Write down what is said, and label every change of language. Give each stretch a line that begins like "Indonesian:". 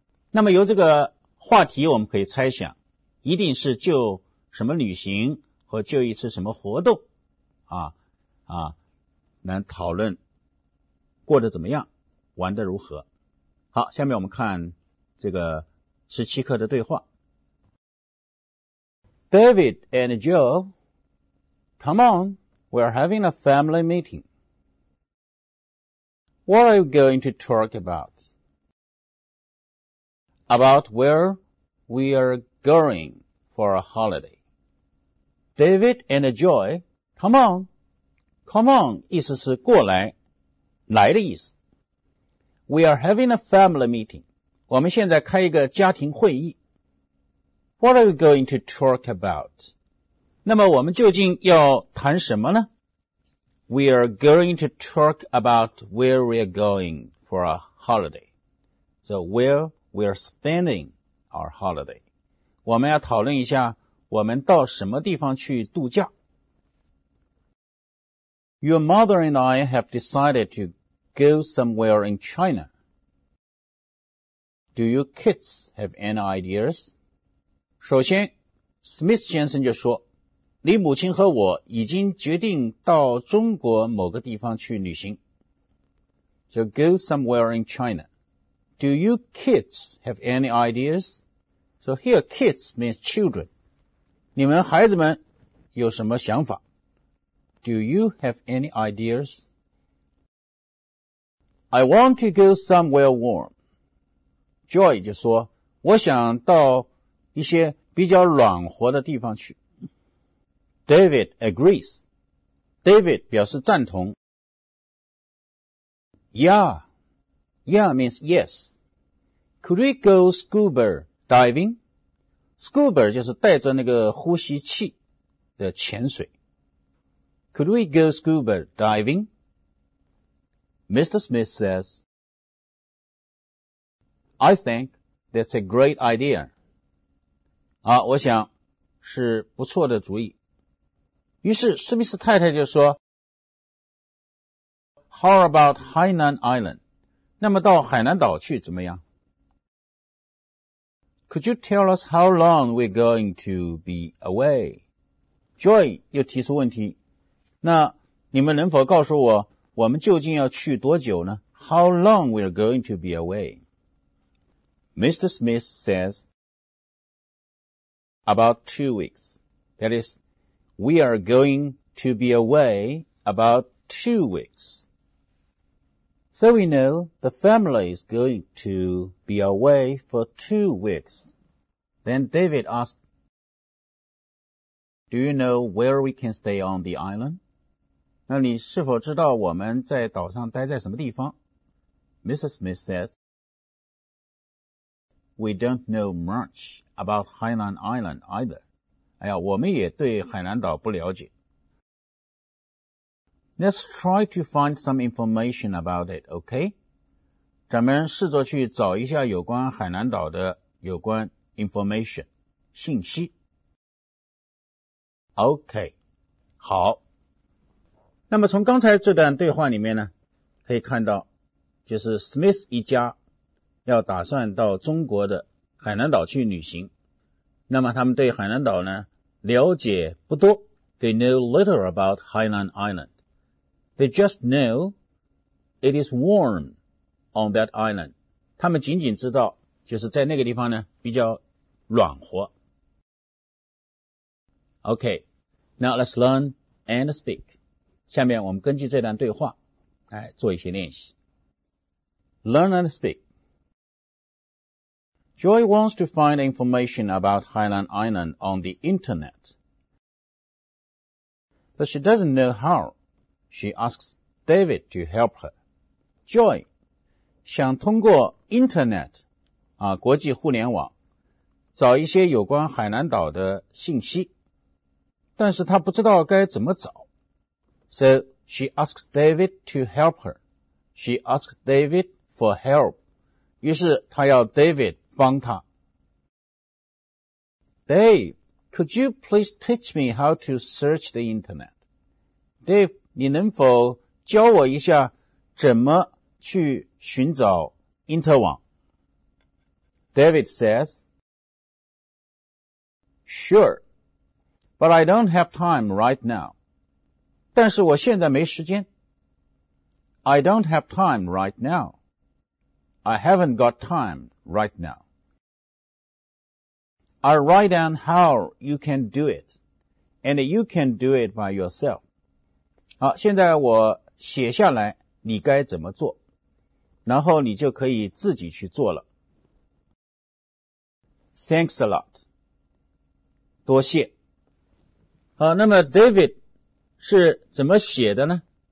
Chinese: 那么由这个话题我们可以猜想，一定是就什么旅行和就一次什么活动啊，能讨论过得怎么样，玩得如何。好，下面我们看这个十七课的对话。
English: David and Joe, come on, we're having a family meeting. What are you going to talk about? About where we are going for a holiday. David and Joe, come on. Come on,
Chinese: 意思是过来，来的意思。
English: We are having a family meeting.
Chinese: 我们现在开一个家庭会议。
English: What are we going to talk about?
Chinese: 那么我们究竟要谈什么呢？
English: We are going to talk about where we are going for a holiday. So where we are spending our holiday.
Chinese: 我们要讨论一下我们到什么地方去度假。
English: Your mother and I have decided to go somewhere in China. Do you kids have any ideas?
Chinese: 首先 ,Smith 先生就说你母亲和我已经决定到中国某个地方去旅行。
English: So go somewhere in China. Do you kids have any ideas? So here kids means children.
Chinese: 你们孩子们有什么想法？
English: Do you have any ideas? I want to go somewhere warm.
Chinese: Joy 就说我想到一些比较暖和的地方去。
English: David agrees.
Chinese: David 表示赞同。
English: Yeah. Yeah means yes. Could we go scuba diving?
Chinese: Scuba 就是带着那个呼吸器的潜水。
English: Could we go scuba diving? Mr. Smith says, I think that's a great idea.
Chinese: 啊，我想是不错的主意。于是史密斯太太就说
English: How about Hainan Island?
Chinese: 那么到海南岛去怎么样？
English: Could you tell us how long we're going to be away?
Chinese: Joy 又提出问题，那你们能否告诉我我们究竟要去多久呢？
English: How long we are going to be away? Mr. Smith says about 2 weeks. That is, we are going to be away about 2 weeks. So we know the family is going to be away for 2 weeks. Then David asked, Do you know where we can stay on the island?
Chinese: 那你是否知道我们在岛上待在什么地方？
English: Mrs. Smith says, We don't know much about Hainan Island either.
Chinese: 哎呀，我们也对海南岛不了解。
English: Let's try to find some information about it, okay?
Chinese: 咱们试着去找一下有关海南岛的有关 information, 信息。 Okay, 好。那么从刚才这段对话里面呢，可以看到就是 Smith 一家要打算到中国的海南岛去旅行。那么他们对海南岛呢了解不多。
English: They know little about Hainan Island. They just know it is warm on that island.
Chinese: 他们仅仅知道就是在那个地方呢比较暖和。
English: Okay, now let's learn and speak.
Chinese: 下面我们根据这段对话来做一些练习。
English: Learn and speak. Joy wants to find information about Hainan Island on the internet. But she doesn't know how. She asks David to help her.
Chinese: Joy 想通过 internet, 啊，国际互联网找一些有关海南岛的信息，但是她不知道该怎么找。
English: So She asks David to help her. She asks David for help.
Chinese: 于是她要 David 帮她。
English: Dave, could you please teach me how to search the internet?
Chinese: Dave, 你能否教我一下怎么去寻找因特网?
English: David says, Sure, but I don't have time right now.
Chinese: 但是我现在没时间。
English: I don't have time right now. I haven't got time right now. I'll write down how you can do it, and you can do it by yourself.
Chinese: 好，现在我写下来你该怎么做，然后你就可以自己去做了。
English: Thanks a lot.
Chinese: 多谢。好，那么 David 是怎么写的呢？